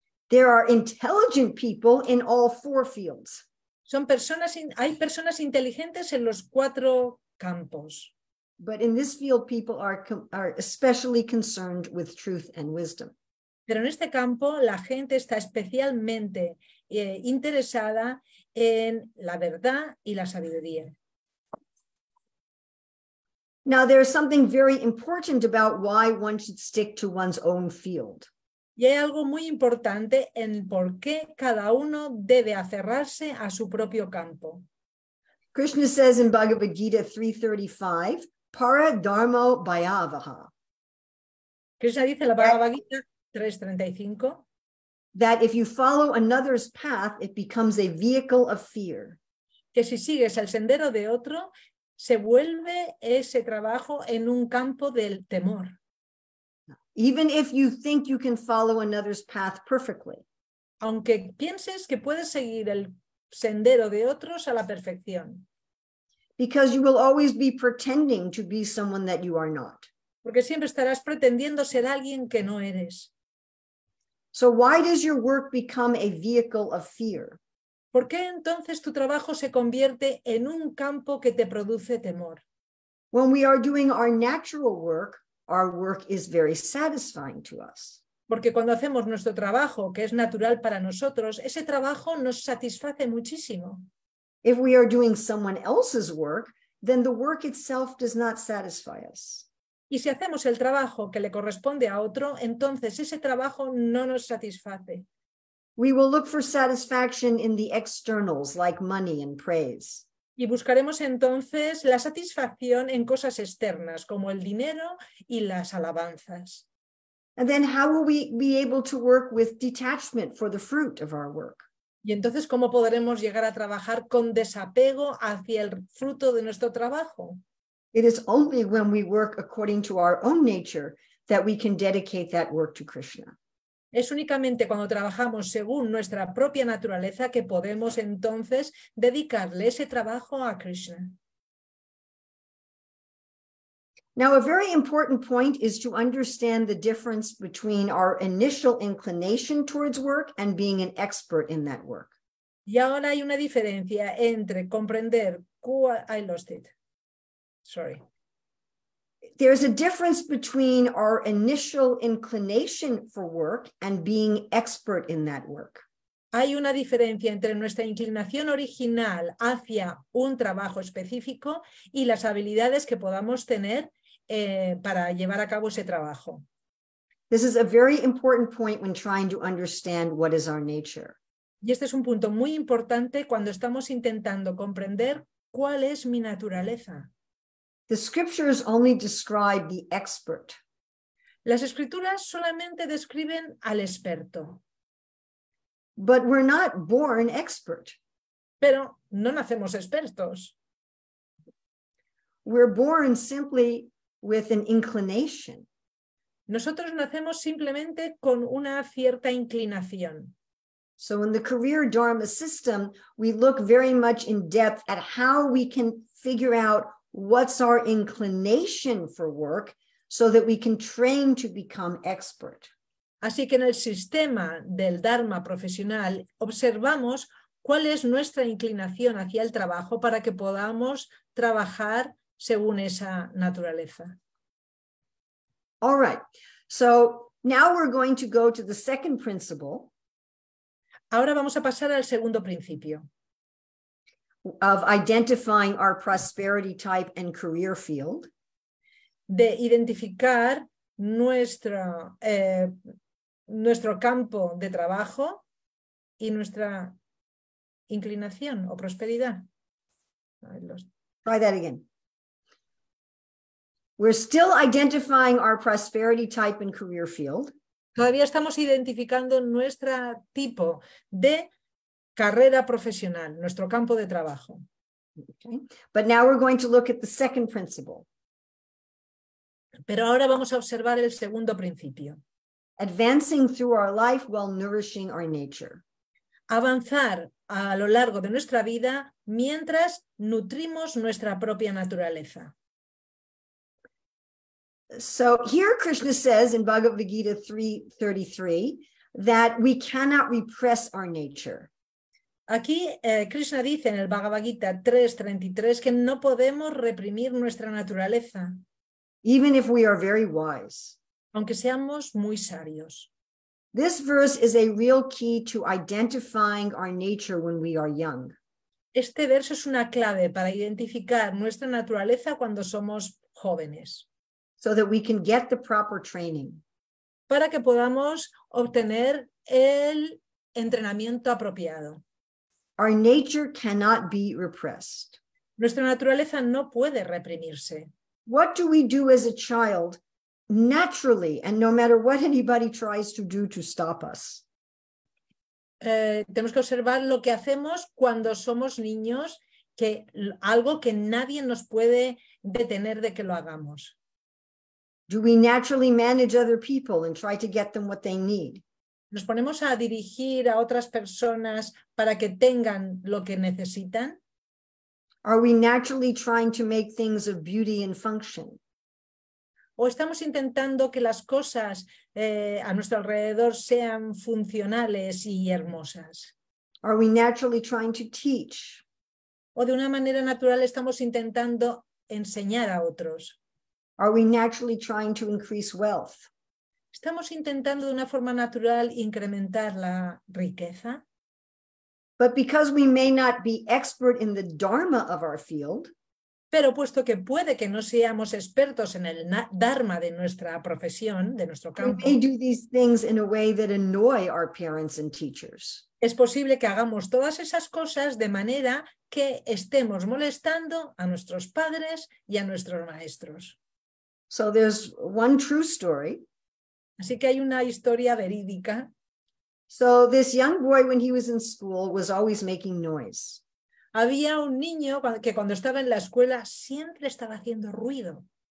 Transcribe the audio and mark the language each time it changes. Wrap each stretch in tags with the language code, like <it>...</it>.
<en>There are intelligent people in all four fields.</en> <es>Hay personas inteligentes en los cuatro campos.</es> <en>But in this field, people are especially concerned with truth and wisdom.</en> <es>Pero en este campo, la gente está especialmente interesada en la verdad y la sabiduría.</es> <en>Now, there is something very important about why one should stick to one's own field.</en> <es>Y hay algo muy importante en por qué cada uno debe aferrarse a su propio campo.</es> <en>Krishna says in Bhagavad Gita 3:35,</en> <sa>para dharma bhayavaha.</sa> <es>Krishna dice en la Bhagavad Gita 3:35,</es> <en>that if you follow another's path, it becomes a vehicle of fear.</en> <es>Que si sigues el sendero de otro, se vuelve ese trabajo en un campo del temor.</es> <en>Even if you think you can follow another's path perfectly.</en> <es>Aunque pienses que puedes seguir el sendero de otros a la perfección.</es> <en>Because you will always be pretending to be someone that you are not.</en> <es>Porque siempre estarás pretendiendo ser alguien que no eres.</es> <en>So why does your work become a vehicle of fear?</en> <es>¿Por qué entonces tu trabajo se convierte en un campo que te produce temor?</es> <en>When we are doing our natural work, our work is very satisfying to us.</en> <es>Porque cuando hacemos nuestro trabajo, que es natural para nosotros, ese trabajo nos satisface muchísimo.</es> <en>If we are doing someone else's work, then the work itself does not satisfy us.</en> <es>Y si hacemos el trabajo que le corresponde a otro, entonces ese trabajo no nos satisface.</es> <en>We will look for satisfaction in the externals, like money and praise.</en> <es>Y buscaremos entonces la satisfacción en cosas externas, como el dinero y las alabanzas.</es> <en>And then how will we be able to work with detachment for the fruit of our work?</en> <es>Y entonces, ¿cómo podremos llegar a trabajar con desapego hacia el fruto de nuestro trabajo?</es> <en>It is only when we work according to our own nature that we can dedicate that work to Krishna.</en> <es>Es únicamente cuando trabajamos según nuestra propia naturaleza que podemos entonces dedicarle ese trabajo a Krishna.</es> <en>Now, a very important point is to understand the difference between our initial inclination towards work and being an expert in that work.</en> <es>Y ahora hay una diferencia entre comprender</es> <en>I lost it. Sorry. There's a difference between our initial inclination for work and being expert in that work.</en> <es>Hay una diferencia entre nuestra inclinación original hacia un trabajo específico y las habilidades que podamos tener para llevar a cabo ese trabajo.</es> <en>This is a very important point when trying to understand what is our nature.</en> <es>Y este es un punto muy importante cuando estamos intentando comprender cuál es mi naturaleza.</es> <en>The scriptures only describe the expert.</en> <es>Las escrituras solamente describen al experto.</es> <en>But we're not born expert.</en> <es>Pero no nacemos expertos.</es> <en>We're born simply with an inclination.</en> <es>Nosotros nacemos simplemente con una cierta inclinación.</es> <en>So in the career dharma system, we look very much in depth at how we can figure out what's our inclination for work so that we can train to become expert.</en> <es>Así que en el sistema del dharma profesional observamos cuál es nuestra inclinación hacia el trabajo para que podamos trabajar según esa naturaleza.</es> <en>All right. So now we're going to go to the second principle.</en> <es>Ahora vamos a pasar al segundo principio.</es> <en>Of identifying our prosperity type and career field.</en> <es>De identificar nuestro campo de trabajo y nuestra inclinación o prosperidad.</es> <en>Try that again. We're still identifying our prosperity type and career field.</en> <es>Todavía estamos identificando nuestro tipo de carrera profesional, nuestro campo de trabajo.</es> <en>Okay. But now we're going to look at the second principle.</en> <es>Pero ahora vamos a observar el segundo principio.</es> <en>Advancing through our life while nourishing our nature.</en> <es>Avanzar a lo largo de nuestra vida mientras nutrimos nuestra propia naturaleza.</es> <en>So here Krishna says in Bhagavad Gita 3:33 that we cannot repress our nature.</en> <es>Aquí Krishna dice en el Bhagavad Gita 3:33 que no podemos reprimir nuestra naturaleza.</es> <en>Even if we are very wise.</en> <es>Aunque seamos muy sabios.</es> <en>This verse is a real key to identifying our nature when we are young.</en> <es>Este verso es una clave para identificar nuestra naturaleza cuando somos jóvenes.</es> <en>So that we can get the proper training.</en> <es>Para que podamos obtener el entrenamiento apropiado.</es> <en>Our nature cannot be repressed.</en> <es>Nuestra naturaleza no puede reprimirse.</es> <en>What do we do as a child naturally and no matter what anybody tries to do to stop us?</en> <es>Tenemos que observar lo que hacemos cuando somos niños, que algo que nadie nos puede detener de que lo hagamos.</es> <en>Do we naturally manage other people and try to get them what they need?</en> <es>¿Nos ponemos a dirigir a otras personas para que tengan lo que necesitan?</es> <en>Are we naturally trying to make things of beauty and function?</en> <es>¿O estamos intentando que las cosas a nuestro alrededor sean funcionales y hermosas?</es> <en>Are we naturally trying to teach?</en> <es>¿O de una manera natural estamos intentando enseñar a otros?</es> <en>Are we naturally trying to increase wealth?</en> <es>¿Estamos intentando de una forma natural incrementar la riqueza?</es> <en>But because we may not be expert in the dharma of our field,</en> <es>pero puesto que puede que no seamos expertos en el dharma de nuestra profesión, de nuestro campo,</es> <en>we may do these things in a way that annoy our parents and teachers.</en> <es>Es posible que hagamos todas esas cosas de manera que estemos molestando a nuestros padres y a nuestros maestros.</es> <en>So there's one true story.</en> <es>Así que hay una historia verídica.</es> <en>So this young boy, when he was in school, was always making noise.</en> <es>Había un niño que cuando estaba en la escuela siempre estaba haciendo ruido.</es>